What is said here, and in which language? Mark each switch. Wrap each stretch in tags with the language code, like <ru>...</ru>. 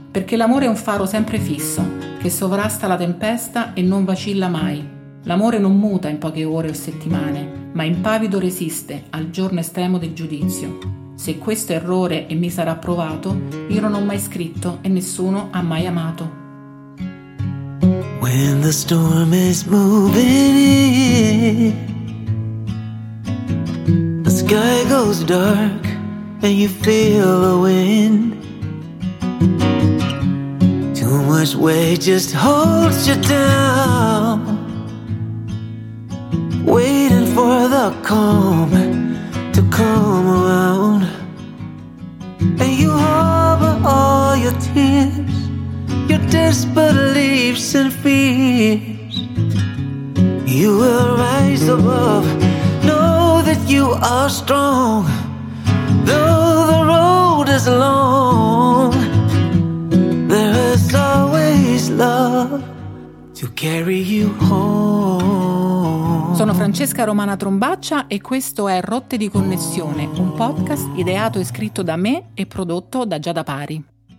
<it>Perché l'amore è un faro sempre fisso, che sovrasta la tempesta e non vacilla mai. L'amore non muta in poche ore o settimane, ma impavido resiste al giorno estremo del giudizio. Se questo errore e mi sarà provato, io non ho mai scritto e nessuno ha mai amato.</it> <en>When the storm is moving in, the sky goes dark and you feel the wind. Too much much weight just holds you down. Waiting for the calm to come around. And you harbor all your tears, your disbeliefs and fears. You will rise above, know that you are strong. Though the road is long, there is always love to carry you home.</en> <it>Sono Francesca Romana Trombaccia e questo è Rotte di Connessione, un podcast ideato e scritto da me e prodotto da Giada Pari.</it>